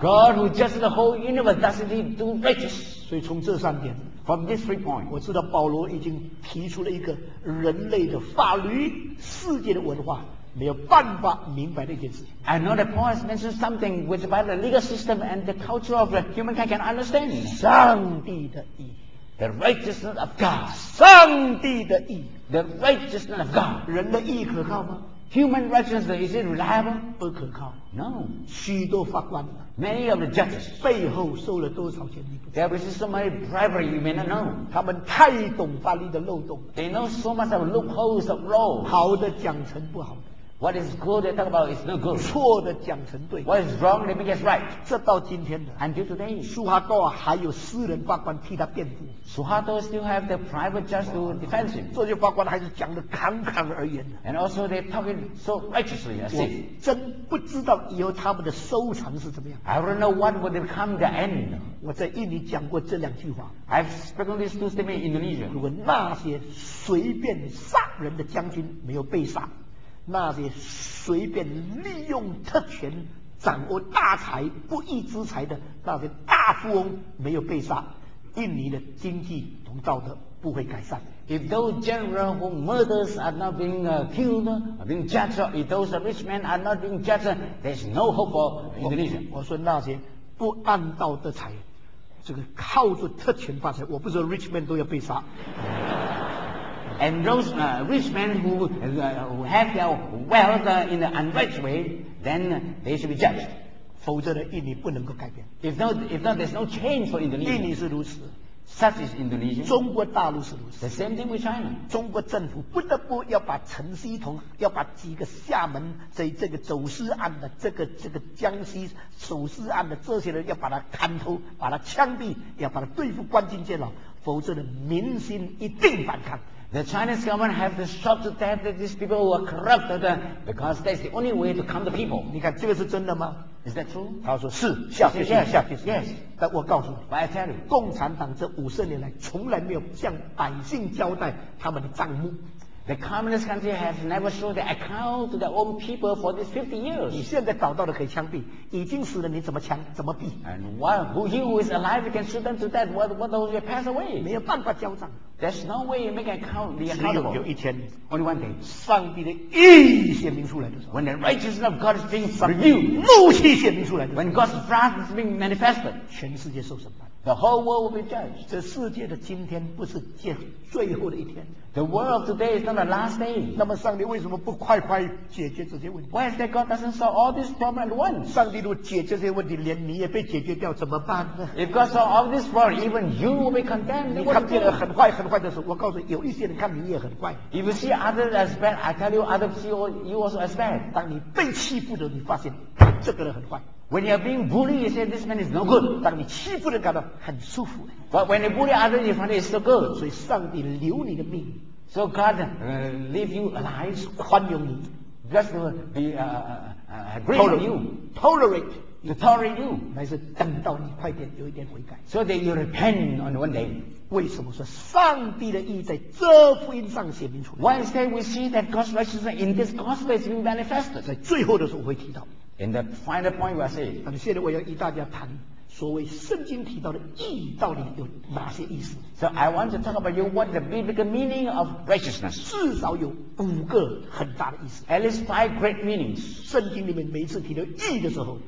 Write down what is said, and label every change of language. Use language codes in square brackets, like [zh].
[en] ？God who judges the whole universe doesn't he do righteous？ [zh] 所以从这三点 [en] ，from this three point， [zh] 我知道保罗已经提出了一个人类的法律、世界的文化没有办法明白的一件事情。 [en] I know that Paul has mentioned something which by the legal system and the culture of the humankind can understand。 [zh] 上帝的义 [en] ，the righteousness of God。 [zh] 上帝的义 [en] ，the righteousness of God。 [zh] 人的义可靠吗？ [en] Human righteousness is it reliable? [zh] 不可靠。 [en] No. [zh] 许多法官。 [en] Many of the judges. [zh] 背后收了多少钱？你不知道。 [en] There is so much bribery you may not know. [zh] 他们太懂法律的漏洞。 [en] They know so much of loopholes of law. [zh] 好的讲成不好。 [en] What is good they talk about is no good. [zh] 错的讲成对。 [en] What is wrong they make it right. [zh] 这到今天的。 [en] Until today. [zh] 苏哈多还有私人法官替他辩护。 [en] So how do still have the private judge to defend him? [zh] 这些法官还是讲得侃侃而言的。 [en] And also they talking so righteously. [zh] 我真不知道以后他们的收藏是怎么样。 [en] I don't know what would become the end. [zh] 我在印尼讲过这两句话。 [en] I've spoken these two statements in Indonesia. [zh] 如果那些随便杀人的将军没有被杀，那些随便利用特权掌握大财不义之财的那些大富翁没有被杀。印尼的经济和道德不会改善。 [en] If those general who murders are not being killed, are being judged, or if those rich men are not being judged, there's no hope for Indonesia. [zh] 我说那些不按道德裁员，这个靠着特权发财，我不说 [en] rich men [zh] 都要被杀。 [en] And those rich men who have their wealth in an unrighteous way, then they should be judged. [zh] 否则的印尼不能够改变。 [en] If not, there's no change for Indonesia. [zh] 印尼是如此。 [en] Such is Indonesia. [zh] 中国大陆是如此。 [en] The same thing with China. [zh] 中国政府不得不要把陈锡同，要把几个厦门在这个走私案的这个江西走私案的这些人，要把他砍头，把他枪毙，要把他对付关进监牢，否则的民心一定反抗。 [en] The Chinese government have to stop to death these people who are corrupted because that's the only way to calm the people. [zh] 你看这个是真的吗？ [en] Is that true? [zh] 他说是，下决心，下决心。 [en] Yes. [zh] 但我告诉你， [en] But I tell you, [zh] 共产党这五十年来从来没有向百姓交代他们的账目。 [en] The communist country has never showed the account to their own people for these 50 years. [zh] 你现在找到的可以枪毙，已经死了你怎么枪怎么毙？ [en] And who is alive can shoot them to death. What those who pass away? [zh] 没有办法交账。 [en] There's no way you make account the accountable. [zh] 只有有一天， [en] only one day, [zh] 上帝的义显明出来的时候， [en] when the righteousness of God is being revealed, [zh] 怒气显明出来的时候， [en] when God's wrath is being manifested, [zh] 全世界受审判。 [en] The whole world will be judged. [zh] 这世界的今天不是最后的一天。 [en] The world today is not the last day. [zh] 那么上帝为什么不快快解决这些问题？ [en] Why is that God doesn't solve all these problems at once? [zh] 上帝如果解决这些问题，连你也被解决掉，怎么办呢？ [en] If God solve all these problems, even you will be condemned. [zh] 你看别人很坏很坏的时候，我告诉你，有一些人看你也很坏。 [en] If you see others as bad, I tell you others see you also as bad. [zh] 当你被欺负的时候，你发现这个人很坏。 [en] When you are being bullied, you say this man is no good. [zh] 当你欺负人感到很舒服。 [en] But when you bully others, you find it's so good. [zh] 所以上帝留你的命。 [en] So God leave you alive, [zh] 宽容你。 [en] Just to be agree with you. Tolerate. To tolerate you. [zh] 乃是等到你快点有一点悔改。 [en] So that you repent on one day. [zh] 为什么说上帝的义在这福音上显明出来？ [en] Why is that we see that God's righteousness in this gospel is being manifested? [zh] 在最后的时候我会提到。 [en] In the final point, we'll say. [zh] 但是现在我要与大家谈所谓圣经提到的义到底有哪些意思。 [en] So I want to talk about you what the biblical meaning of righteousness. [zh] 至少有五个很大的意思。 [en] At least five great meanings. [zh] 圣经里面每次提到义的时候，